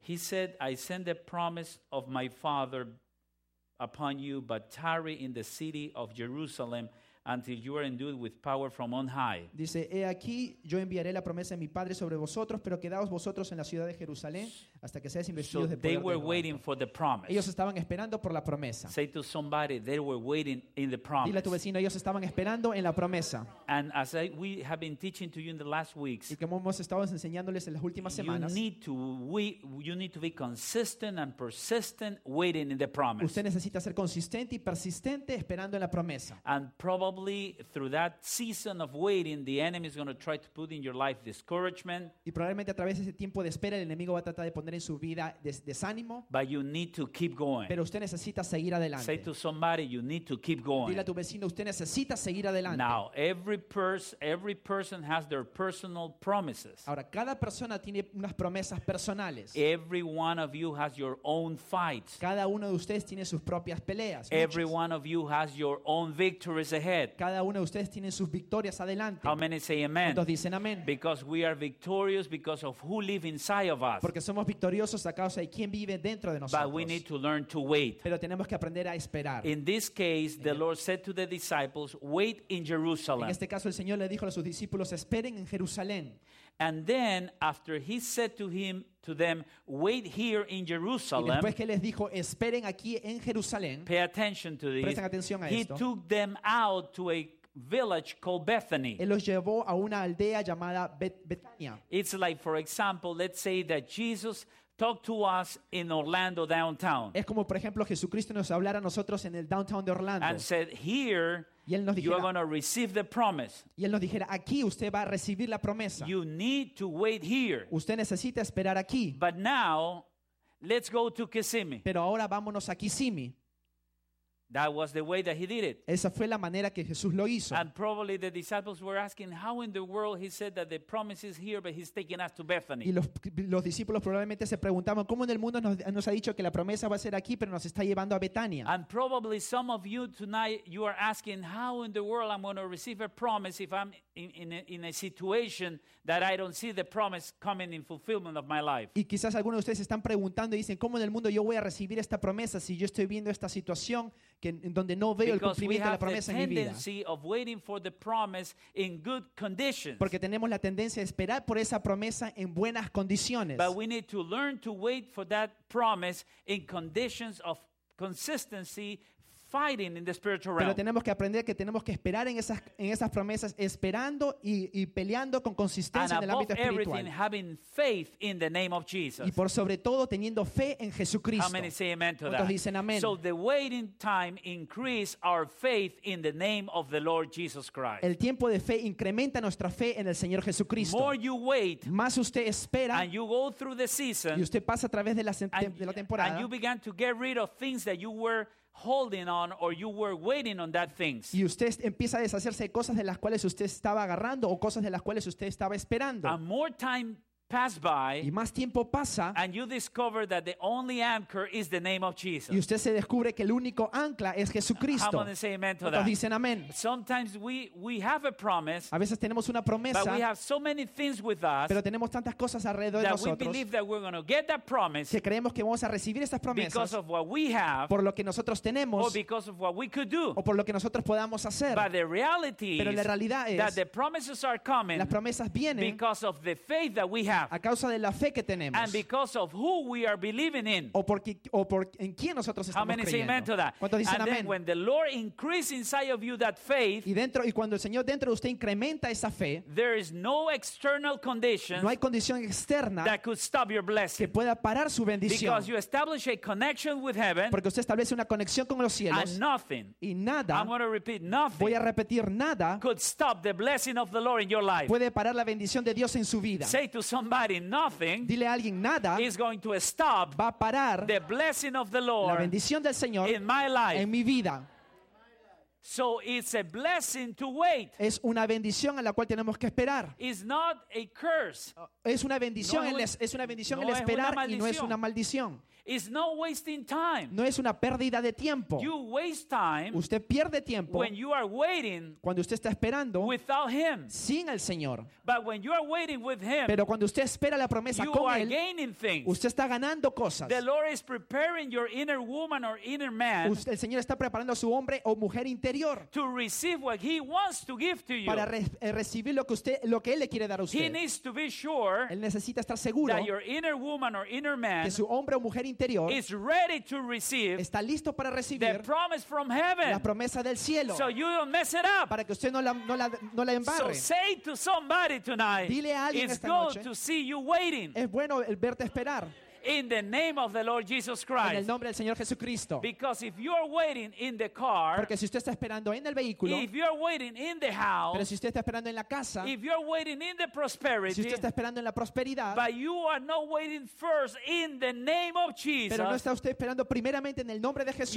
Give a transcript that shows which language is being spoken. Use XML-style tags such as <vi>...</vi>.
<en>He said, I send the promise of my Father upon you, but tarry in the city of Jerusalem until you are endued with power from on high.</en> <es>Dice, he aquí, yo enviaré la promesa de mi Padre sobre vosotros, pero quedaos vosotros en la ciudad de Jerusalén hasta que seáis investidos de poder.</es> <en>They were waiting for the promise.</en> <es>Ellos estaban esperando por la promesa.</es> <en>Say to somebody, they were waiting in the promise.</en> <es>Dile a tu vecino, ellos estaban esperando en la promesa.</es> <en>And as we have been teaching to you in the last weeks,</en> <es>y como hemos estado enseñándoles en las últimas semanas,</es> <en>you need to be consistent and persistent waiting in the promise.</en> <es>Usted necesita ser consistente y persistente esperando en la promesa.</es> <en>And probably through that season of waiting, the enemy is going to try to put in your life discouragement.</en> <es>Y probablemente a través de ese tiempo de espera el enemigo va a tratar de poner en su vida desánimo.</es> <en>But you need to keep going.</en> <es>Pero usted necesita seguir adelante.</es> <en>Say to somebody, you need to keep going.</en> <es>Dile a tu vecino, usted necesita seguir adelante.</es> <en>Now every person has their personal promises.</en> <es>Ahora cada persona tiene unas promesas personales.</es> <en>Every one of you has your own fights.</en> <es>Cada uno de ustedes tiene sus propias peleas.</es> <en>Every one of you has your own victories ahead.</en> <es>Cada uno de ustedes tiene sus victorias adelante.</es> <en>How many say amen?</en> <es>¿Cuántos dicen amén?</es> <en>Because we are victorious because of who lives inside of us.</en> <es>Porque somos victoriosos a causa de quién vive dentro de nosotros.</es> <en>But we need to learn to wait.</en> <es>Pero tenemos que aprender a esperar.</es> <en>In this case, the Lord said to the disciples, "Wait in Jerusalem."</en> <es>En este caso, el Señor le dijo a sus discípulos, "Esperen en Jerusalén."</es> <en>And then, after he said to them, "Wait here in Jerusalem."</en> <es>Y después que les dijo, "Esperen aquí en Jerusalén."</es> <en>Pay attention to this.</en> <es>Presten atención a</es> <en>he</en> <es>esto.</es> <en>He took them out to a village called Bethany.</en> <es>Él los llevó a una aldea llamada Betania.</es> <en>It's like, for example, let's say that Jesus talk to us in Orlando downtown.</en> <es>Es como por ejemplo Jesucristo nos hablara a nosotros en el downtown de Orlando.</es> <en>And said here</en> <es>y él nos dijera,</es> <en>you are going to receive the promise.</en> <es>Y él nos dijera, aquí usted va a recibir la promesa.</es> <en>You need to wait here.</en> <es>Usted necesita esperar aquí.</es> <en>But now let's go to Kissimmee.</en> <es>Pero ahora vámonos a Kissimmee.</es> <en>That was the way that he did it.</en> <es>Esa fue la manera que Jesús lo hizo.</es> <en>And probably the disciples were asking, how in the world he said that the promise is here, but he's taking us to Bethany.</en> <es>Y los discípulos probablemente se preguntaban cómo en el mundo nos ha dicho que la promesa va a ser aquí, pero nos está llevando a Betania.</es> <en>And probably some of you tonight you are asking, how in the world I'm going to receive a promise if I'm in a situation that I don't see the promise coming in fulfillment of my life.</en> <es>Y quizás algunos de ustedes están preguntando y dicen, ¿cómo en el mundo yo voy a recibir esta promesa si yo estoy viendo esta situación en donde no veo el cumplimiento de la promesa en mi vida?</es> <en>Because we have the tendency of waiting for the promise in good conditions.</en> <es>Porque tenemos la tendencia de esperar por esa promesa en buenas condiciones.</es> <en>But we need to learn to wait for that promise in conditions of consistency. Fighting in the spiritual realm.</en> <es>Pero tenemos que aprender que tenemos que esperar en esas promesas, esperando y peleando con consistencia</es> <en>and</en> <es>en el ámbito espiritual.</es> <en>Everything, having faith in the name of Jesus.</en> <es>Y por sobre todo teniendo fe en Jesucristo.</es> <en>How many say amen to that?</en> <es>¿Cuántos dicen amén?</es> <en>So the waiting time increase our faith in the name of the Lord Jesus Christ.</en> <es>El tiempo de fe incrementa nuestra fe en el Señor Jesucristo.</es> <en>More you wait,</en> <es>más usted espera,</es> <en>and you go through the season,</en> <es>y usted pasa a través de la temporada,</es> <en>and you began to get rid of things that you were holding on or you were waiting on that things.</en> <es>Y usted empieza a deshacerse de cosas de las cuales usted estaba agarrando o cosas de las cuales usted estaba esperando.</es> <en>And more time pass by,</en> <es>y más tiempo pasa,</es> <en>and you discover that the only anchor is the name of Jesus.</en> <es>Y usted se descubre que el único ancla es Jesucristo.</es> <en>How many say amen to that?</en> <es>¿Cuántos dicen amén?</es> <en>Sometimes we have a promise.</en> <es>A veces tenemos una promesa.</es> <en>But we have so many things with us.</en> <es>Pero tenemos tantas cosas alrededor de nosotros.</es> <en>That we believe that we're going to get that promise.</en> <es>Que creemos que vamos a recibir esas promesas.</es> <en>Because of what we have.</en> <es>Por lo que nosotros tenemos.</es> <en>Or because of what we could do.</en> <es>O por lo que nosotros podamos hacer.</es> <en>But the reality</en> <es>pero la realidad es</es> <en>that the promises are coming.</en> <es>Las promesas vienen.</es> <en>Because of the faith that we have.</en> <es>A causa de la fe que tenemos.</es> <en>And because of who we are believing in.</en> <es>O por en quién nosotros estamos creyendo.</es> <en>How many say amen to that?</en> <es>¿Cuántos dicen amén?</es> <en>And then when the Lord increases inside of you that faith.</en> <es>Y cuando el Señor dentro de usted incrementa esa fe.</es> <en>There is no external condition.</en> <es>No hay condición externa.</es> <en>That could stop your blessing.</en> <es>Que pueda parar su bendición.</es> <en>Because you establish a connection with heaven.</en> <es>Porque usted establece una conexión con los cielos.</es> <en>And nothing.</en> <es>Y nada.</es> <en>I'm going to repeat nothing.</en> <es>Voy a repetir nada.</es> <en>Could stop the blessing of the Lord in your life.</en> <es>Puede parar la bendición de Dios en su vida.</es> <en>Say to someone. Somebody, nothing</en> <es>dile a alguien nada</es> <en>is going to stop</en> <es>va a parar</es> <en>the blessing of the Lord</en> <es>la bendición del Señor</es> <en>in my life</en> <es>en mi vida.</es> <en>So it's a blessing to wait.</en> <es>Es una bendición a la cual tenemos que esperar.</es> <en>It's not a curse.</en> <es>Es una bendición, es una bendición el esperar y no es una maldición.</es> <en>It's not wasting time.</en> <es>No es una pérdida de tiempo.</es> <en>You waste time.</en> <es>Usted pierde tiempo.</es> <en>When you are waiting.</en> <es>Cuando usted está esperando.</es> <en>Without him.</en> <es>Sin el Señor.</es> <en>But when you are waiting with him.</en> <es>Pero cuando usted espera la promesa con él.</es> <en>You are gaining things.</en> <es>Usted está ganando cosas.</es> <en>The Lord is preparing your inner woman or inner man.</en> <es>El Señor está preparando a su hombre o mujer interior.</es> <en>To receive what he wants to give to you.</en> <es>Para recibir lo que él le quiere dar a usted.</es> <en>He needs to be sure.</en> <es>Él necesita estar seguro.</es> <en>That your inner woman or inner man.</en> <es>Que su hombre o mujer interior,</es> <en>is ready to receive</en> <es>está listo para recibir</es> <en>the promise from heaven,</en> <es>la promesa del cielo</es> <en>so you don't mess it up.</en> <es>Para que usted no la embarre.</es> <en>So say to somebody tonight,</en> <es>dile a alguien</es> <en>it's</en> <es>esta</es> <en>good</en> <es>noche</es> <en>to see you waiting.</en> <es>Es bueno el verte esperar.</es> <en>In the name of the Lord Jesus Christ.</en> <es>En el nombre del Señor Jesucristo.</es> <en>Because if you are waiting in the car.</en> <es>Porque si usted está esperando en el vehículo.</es> <en>If you are waiting in the house.</en> <es>Pero si usted está esperando en la casa.</es> <en>If you are waiting in the prosperity.</en> <es>Si usted está esperando en la prosperidad.</es> <en>But you are not waiting first in the name of Jesus.</en> <es>Pero no está usted esperando primeramente en el nombre de Jesús.</es>